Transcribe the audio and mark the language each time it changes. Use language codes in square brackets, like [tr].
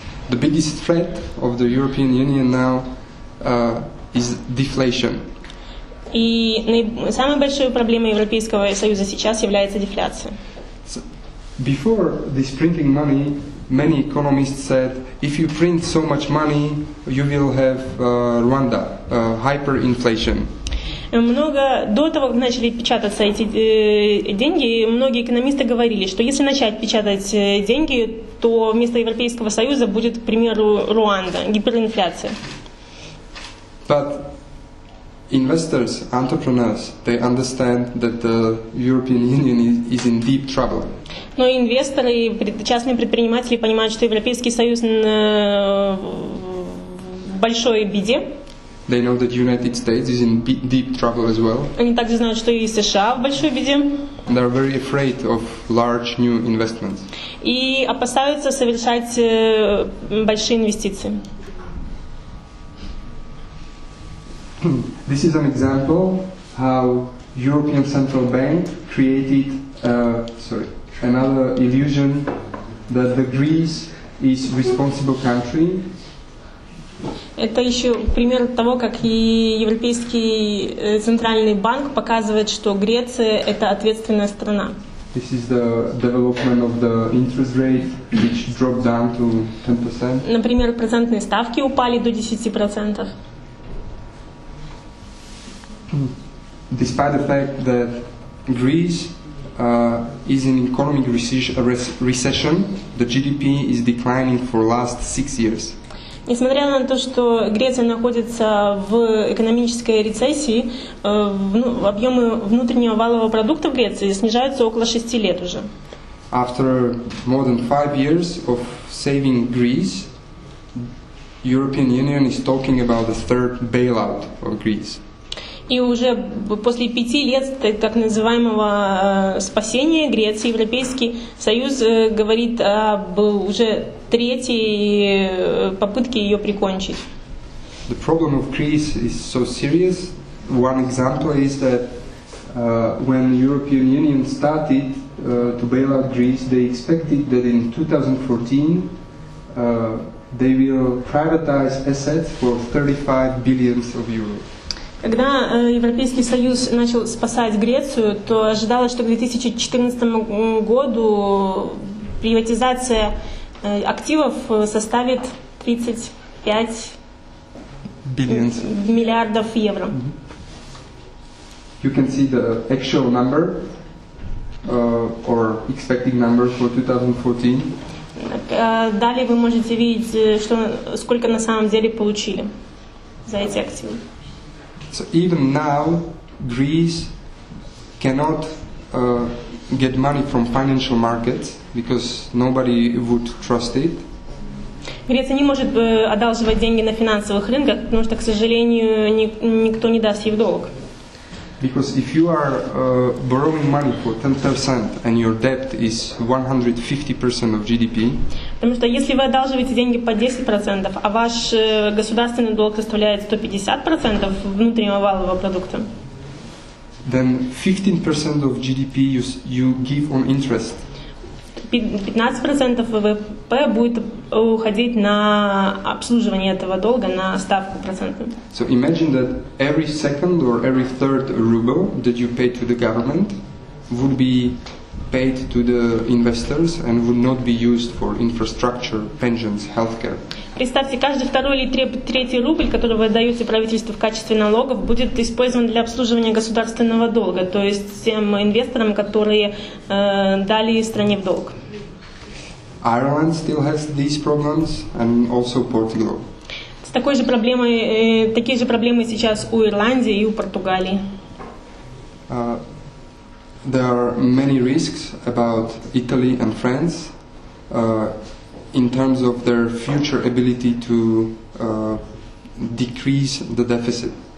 [en] The biggest threat of the European Union now is deflation. [ru] И самой большой проблемой Европейского Союза сейчас является дефляция. [en] So before this printing money, many economists said, if you print so much money, you will have Rwanda, hyperinflation. [ru] Много до того, как начали печататься эти деньги, многие экономисты говорили, что если начать печатать деньги, то вместо Европейского Союза будет, к примеру, Руанда, гиперинфляция. [en] But investors, entrepreneurs, they understand that the European Union is in deep trouble. [ru] Но инвесторы, частные предприниматели понимают, что Европейский Союз в большой беде. [en] They know that United States is in deep trouble as well. [ru] Они также знают, что и США в большой беде. [en] And they are very afraid of large new investments. [ru] И опасаются совершать большие инвестиции. [en] This is an example how European Central Bank created another illusion that the Greece is responsible country. [ru] Это еще пример того, как и Европейский центральный банк показывает, что Греция это ответственная страна. [en] This is the development of the interest rate, which dropped down to 10%. [ru] Например, процентные ставки упали до 10%. [en] despite the fact that Greece is in economic recession, the GDP is declining for last 6 years. [ru] Несмотря на то, что Греция находится в экономической рецессии, объемы внутреннего валового продукта в Греции снижаются около 6 лет уже. [en] After more than 5 years of saving Greece, European Union is talking about the third bailout of Greece. [ru] И уже после 5 лет так называемого спасения Греции, Европейский Союз говорит об уже третьей попытке ее прикончить. [en] The problem of Greece is so serious. One example is that when the European Union started to bail out Greece, they expected that in 2014 they will privatize assets for 35 billion of euros. [ru] Когда Европейский Союз начал спасать Грецию, то ожидалось, что к 2014 году приватизация активов составит 35 миллиардов евро. [en] You can see the actual number or expected number for 2014. [ru] Далее вы можете видеть, что сколько на самом деле получили за эти активы. [en] So even now, Greece cannot get money from financial markets because nobody would trust it. [ru] Греция не может одалживать деньги на финансовых рынках, потому что, к сожалению, никто не даст ей в долг. [en] Because if you are borrowing money for 10% and your debt is 150% of GDP. [ru] Потому что если вы одалживаете деньги по 10%, а ваш государственный долг составляет 150% внутреннего валового продукта. [en] Then 15% of GDP you give on interest. [ru] 15% ВВП будет уходить на обслуживание этого долга, на ставку процента. [en] So imagine that every second or every third ruble that you pay to the government would be paid to the investors and would not be used for infrastructure, pensions, healthcare. [ru] Представьте, каждый второй или третий рубль, который вы отдаете правительству в качестве налогов, будет использован для обслуживания государственного долга, то есть тем инвесторам, которые дали стране в долг. [en] Ireland still has these problems, and also Portugal. [ru] С такой же проблемой, такие же проблемы сейчас у Ирландии и у Португалии. [en] There are many risks about Italy and France in terms of their future ability to decrease the deficit.